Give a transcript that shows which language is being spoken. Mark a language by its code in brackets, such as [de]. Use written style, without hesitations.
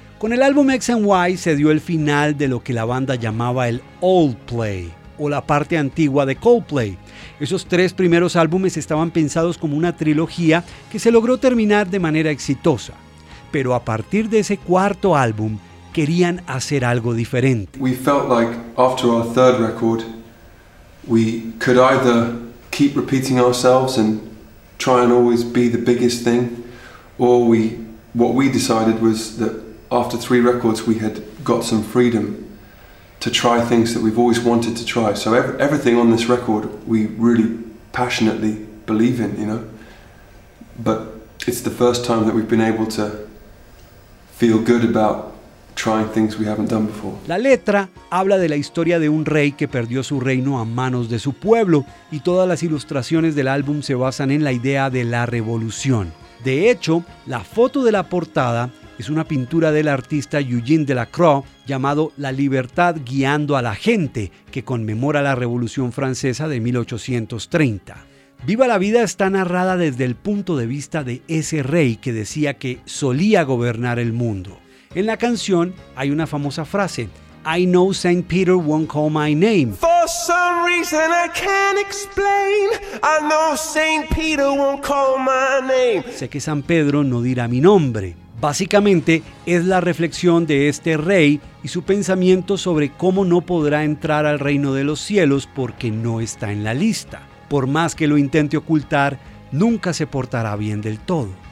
[es] Con el álbum X and Y se dio el final de lo que la banda llamaba el Old Play, o la parte antigua de Coldplay. Esos tres primeros álbumes estaban pensados como una trilogía que se logró terminar de manera exitosa. Pero a partir de ese cuarto álbum, querían hacer algo diferente. [en] We felt like after our third record, we could either keep repeating ourselves and try and always be the biggest thing, or what we decided was that after three records we had got some freedom to try things that we've always wanted to try. So everything on this record we really passionately believe in, you know. But it's the first time that we've been able to feel good about trying things we haven't done before. [es] La letra habla de la historia de un rey que perdió su reino a manos de su pueblo y todas las ilustraciones del álbum se basan en la idea de la revolución. De hecho, la foto de la portada es una pintura del artista Eugene Delacroix llamado La Libertad Guiando a la Gente, que conmemora la Revolución Francesa de 1830. Viva la Vida está narrada desde el punto de vista de ese rey que decía que solía gobernar el mundo. En la canción hay una famosa frase, [en] I know Saint Peter won't call my name. For some reason I can't explain, I know Saint Peter won't call my name. [es] Sé que San Pedro no dirá mi nombre. Básicamente, es la reflexión de este rey y su pensamiento sobre cómo no podrá entrar al reino de los cielos porque no está en la lista. Por más que lo intente ocultar, nunca se portará bien del todo.